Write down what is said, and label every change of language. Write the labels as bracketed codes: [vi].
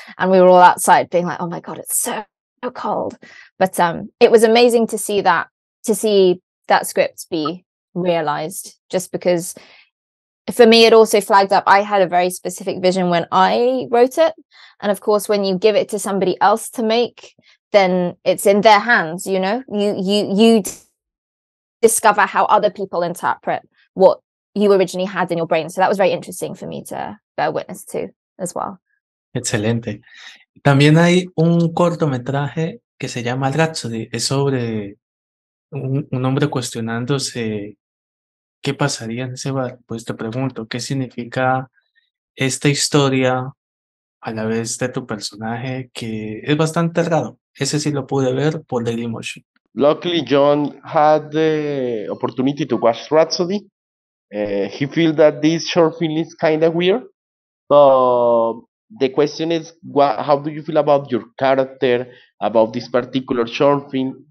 [en] And we were all outside being like, oh my God, it's so, so cold. But it was amazing to see that script be realized, just because for me, it also flagged up, I had a very specific vision when I wrote it. And of course, when you give it to somebody else to make, then it's in their hands, you know, you discover how other people interpret what you originally had in your brain. So that was very interesting for me to bear witness to as well. [es] Excelente. También hay un cortometraje que se llama Rhapsody. Es sobre un hombre cuestionándose qué pasaría en ese bar. Pues te pregunto, ¿qué significa esta historia a la vez de tu personaje? Que es bastante raro. Ese sí lo pude ver por Dailymotion. [en] Luckily, John had the opportunity to watch Rhapsody. He feels that this short film is kind of weird. But the question is, how do you feel about your character, about this particular short film?